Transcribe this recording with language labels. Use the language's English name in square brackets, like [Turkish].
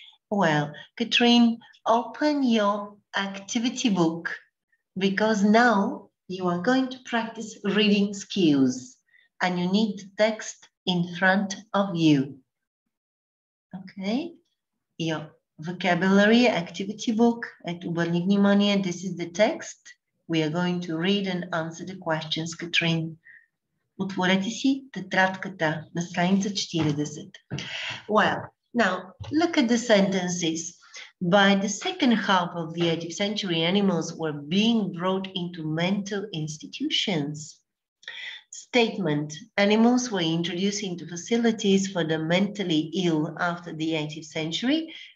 [English] Well, Katrine, open your activity book because now you are going to practice reading skills and you need the text in front of you. Okay, your vocabulary activity book at Uberlignimania, this is the text. We are going to read and answer the questions, Katrine. [Bulgarian] Отворете си тетрадката на страница 40. [English] Well, now, look at the sentences. By the second half of the 18th century, animals were being brought into mental institutions. Statement, animals were introduced into facilities for the mentally ill after the 18th century.